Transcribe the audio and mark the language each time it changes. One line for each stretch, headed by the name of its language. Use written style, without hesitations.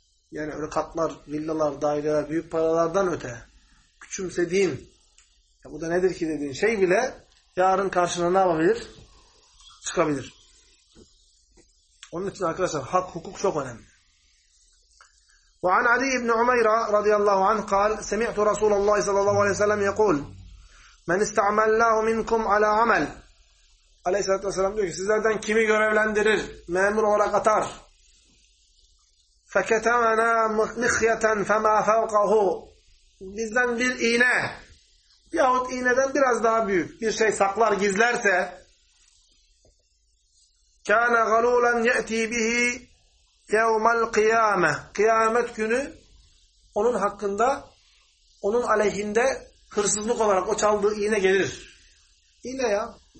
Turkish: Yani öyle katlar, villalar, daireler, büyük paralardan öte küçümsediğin, ya bu da nedir ki dediğin şey bile yarın karşına ne yapabilir? Çıkabilir. Onun için arkadaşlar hak, hukuk çok önemli.
Arabic: وعن علي بن عمير رضي الله عنه قال سمعت رسول الله صلى الله عليه وسلم يقول من استعمل الله منكم على عمل
Turkish: Aleyhisselatü Vesselam diyor ki sizlerden kimi görevlendirir, memur olarak atar.
Arabic: فَكَتَمَنَا مِخْيَةً فَمَا فَوْقَهُ
Turkish: Bizden bir iğne yahut iğneden biraz daha büyük bir şey saklar, gizlerse
Arabic: كَانَ غَلُولًا يَأْتِي بِهِ يَوْمَ الْقِيَامَةِ
Turkish: Kıyamet günü onun hakkında, onun aleyhinde hırsızlık olarak o çaldığı iğne gelir. İğne ya.